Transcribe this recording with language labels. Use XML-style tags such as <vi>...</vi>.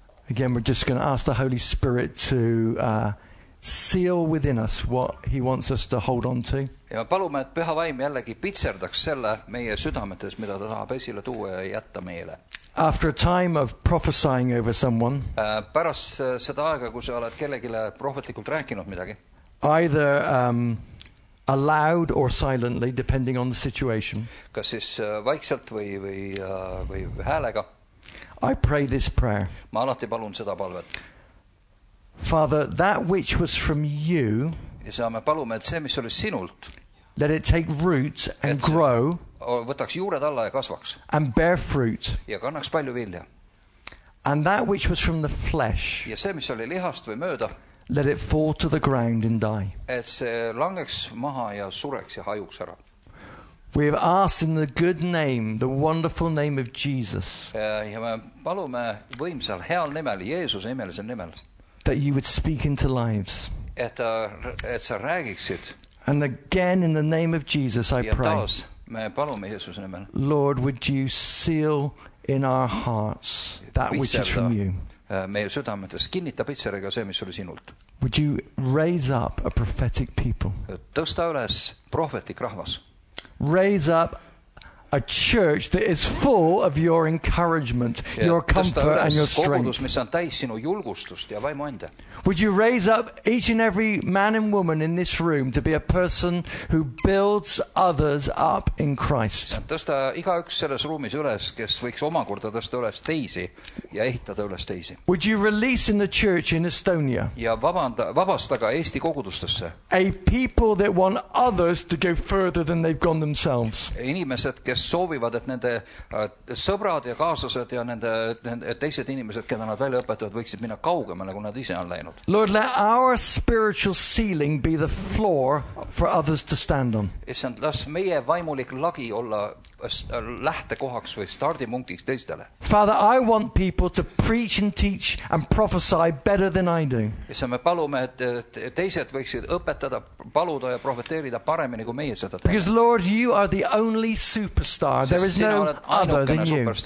<en>Again, we're just going to ask the Holy Spirit to seal within us what he wants us to hold on to.</en> <et>Ja palume, et püha vaim jällegi pitserdaks selle meie südametes, mida ta tahab esile tuua ja jätta meile.</et> <en>After a time of prophesying over someone,</en> <et>pärast seda aega, kui sa oled kellegile prohvetlikult rääkinud midagi,</et> <en>either aloud or silently, depending on the situation,</en> <et>kas siis vaikselt või häälega,</et> <en>I pray this prayer.</en> <et>Ma alati palun seda palvet.</et> <en>Father, that which was from you,</en> <et>ja saame palume, et see, mis oli sinult,</et> <en>let it take roots and grow,</en> <et>võtaks juured alla ja kasvaks,</et> <en>and bear fruit,</en> <et>ja kannaks palju vilja,</et> <en>and that which was from the flesh,</en> <et>ja see, mis oli lihast või mööda,</et> <en>let it fall to the ground and die,</en> <et>et see langeks maha ja sureks ja hajuks ära.</et> <en>We have asked in the good name, the wonderful name of Jesus,</en> <et>ja me palume võimsal heal nimel, Jeesuse imelise nimel,</et> <en>that you would speak into lives.</en> <et>Et sa räägiksid.</et> <en>And again, in the name of Jesus, I pray.</en> <et>Taas, me palume Jeesuse nimel.</et> <en>Lord, would you seal in our hearts that which is from you?</en> <et>Meie südametes kinnita pitserega see, mis oli sinult.</et> <en>Would you raise up a prophetic people?</en> <et>Tõsta üles prohvetlik rahvas.</et> <en>Raise up a church that is full of your encouragement,</en> <et>ja</et> <en>your comfort and your strength.</en> <et>Kogudus, mis on täis sinu julgustust ja vaimuande.</et> <en>Would you raise up each and every man and woman in this room to be a person who builds others up in Christ?</en> <et>Tõsta iga üks selles ruumis üles, kes võiks omakorda tõsta üles teisi ja ehitada üles teisi.</et> <en>Would you release in the church in Estonia?</en> <et>Ja vabastaga Eesti kogudustesse.</et> <en>A people that want others to go further than they've gone themselves.</en> <et>Inimesed, soovivad, et nende sõbrad ja kaaslased ja nende teised inimesed, keda nad välja õpetavad, võiksid minna kaugemale, kui nad ise on läinud.</et> <en>Lord, let our spiritual ceiling be the floor for others to stand on.</en> <et>Issand, las meie vaimulik lagi olla lähtekohaks või startimunktiks teistele.</et> <en>Father, I want people to preach and teach and prophesy better than I do.</en> <et>Issand, me palume, et teised võiksid õpetada, paluda ja profeteerida paremini, kui meie seda teeme.</et> <en>Because Lord, you are the only superstar. There is no other than you.</en>